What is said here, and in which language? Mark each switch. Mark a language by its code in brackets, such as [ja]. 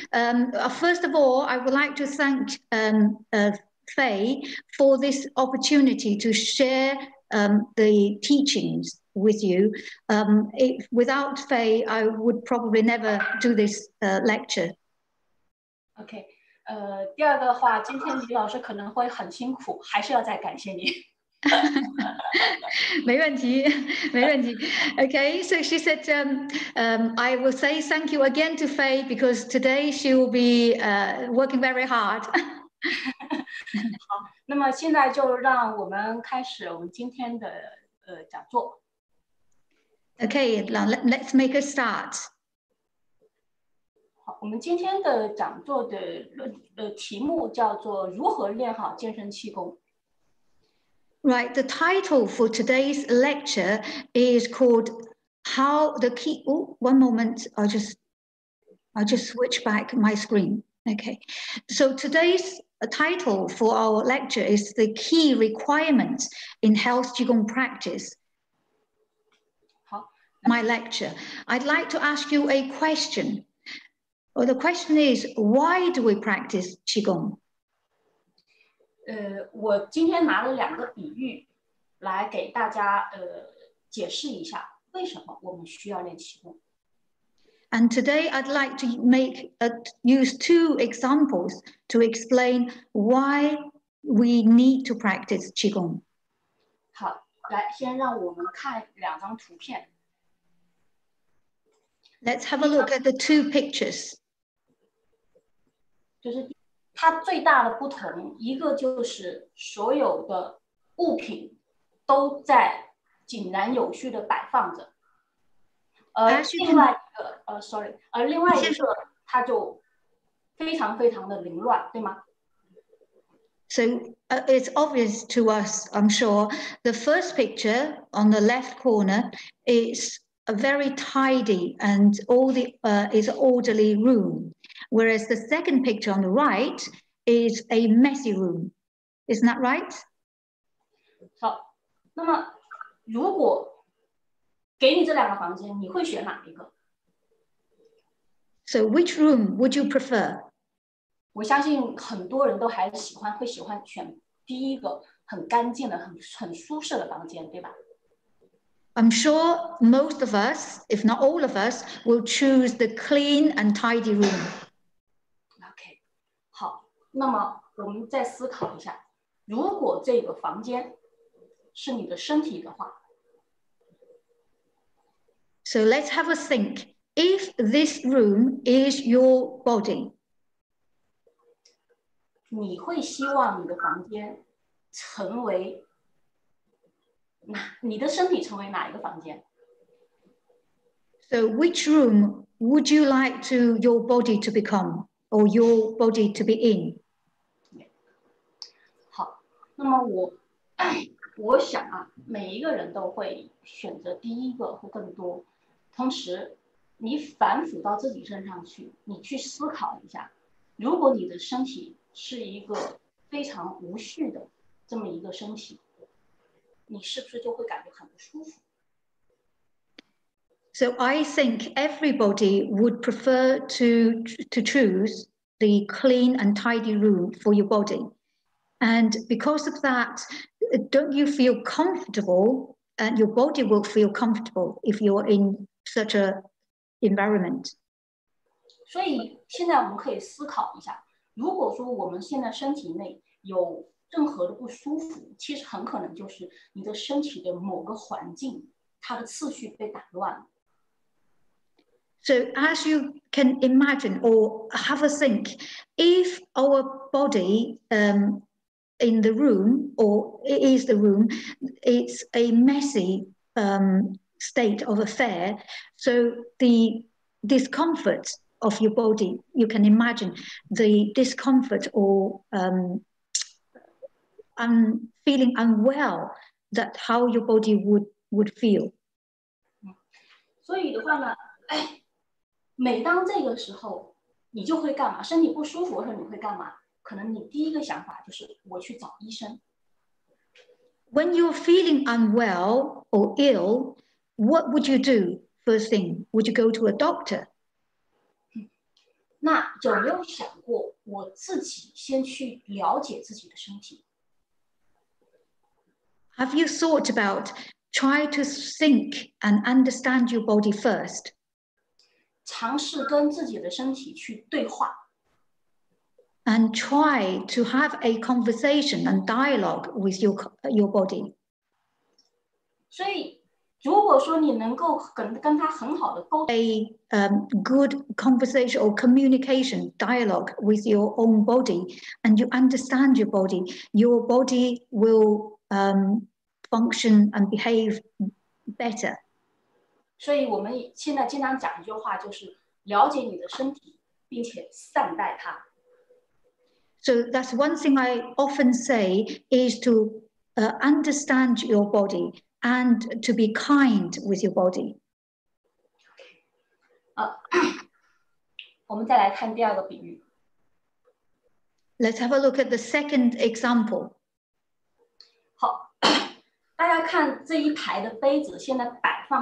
[en] First of all, I would like to thank Faye for this opportunity to share the teachings with you. Without Faye, I would probably never do this lecture. [zh] Okay, 第二个话，今天李老师可能会很辛苦，还是要再感谢你。没问题，没问题。 [en] Okay, so she said, I will say thank you again to Faye because today she will be working very hard. [zh] 好，那么现在就让我们开始我们今天的讲座。 [en] Okay, now let's make a start. [zh] 好，我们今天的讲座的题目叫做如何练好健身气功。 [en] Right, the title for today's lecture is called How the Key... Oh, one moment, I'll just switch back my screen. Okay, so today's title for our lecture is The Key Requirements in Health Qigong Practice. My lecture. I'd like to ask you a question. Well, the question is, why do we practice Qigong? [zh] 我今天拿了两个比喻来给大家解释一下为什么我们需要练气功。 [en] And today I'd like to make use two examples to explain why we need to practice Qigong. [zh] 好，来先让我们看两张图片。 [en] Let's have a look at the two pictures. [zh] 就是它最大的不同，一个就是所有的物品都在井然有序的摆放着，而另外一个，而另外一个它就非常非常的凌乱，对吗？ [en] So, it's obvious to us, I'm sure. The first picture on the left corner is very tidy and all the is orderly room. Whereas the second picture on the right is a messy room. Isn't that right? [zh] 好，那么如果给你这两个房间，你会选哪一个？ [en] So which room would you prefer? [zh] 我相信很多人都还喜欢，会喜欢选第一个很干净的，很舒适的房间，对吧？ [en] I'm sure most of us, if not all of us, will choose the clean and tidy room. [zh] Okay, 好，那么我们再思考一下，如果这个房间是你的身体的话。 [en] So let's have a think. If this room is your body, [zh] 你会希望你的房间成为你的身体成为哪一个房间？ [en] So which room would you like to your body to become or your body to be in? [zh] 好，那么我想啊，每一个人都会选择第一个或更多。同时你反腐到自己身上去，你去思考一下，如果你的身体是一个非常无序的这么一个身体，你是不是就会感觉很不舒服？ [en] So I think everybody would prefer to choose the clean and tidy room for your body. And because of that, don't you feel comfortable and your body will feel comfortable if you're in such an environment. [zh] 所以现在我们可以思考一下，如果说我们现在身体内有任何的不舒服，其实很可能就是你的身体的某个环境，它的次序被打乱了。 [en] So as you can imagine or have a think, if our body in the room or it is the room, it's a messy state of affair. So the discomfort of your body, you can imagine the discomfort or feeling unwell, that how your body would feel. So the one, [zh] 每当这个时候你就会干嘛，身体不舒服的时候你会干嘛，可能你第一个想法就是我去找医生。 [en] When you're feeling unwell or ill, what would you do first thing? Would you go to a doctor? [zh] 那有没有想过我自己先去了解自己的身体？ [en] Have you thought about try to think and understand your body first? [zh] 尝试跟自己的身体去对话。 [en] And try to have a conversation and dialogue with your body. [zh] 所以如果说你能够 跟他很好的沟通 [en] A good conversation or communication dialogue with your own body, and you understand your body will function and behave better. [zh] 所以我们现在经常讲一句话，就是了解你的身体，并且善待它。 [en] So that's one thing I often say is to understand your body and to be kind with your body. [zh] Okay. 我们再来看第二个比喻。 [en] Let's have a look at the second example. [zh] 好，大家看这一排的杯子，现在摆。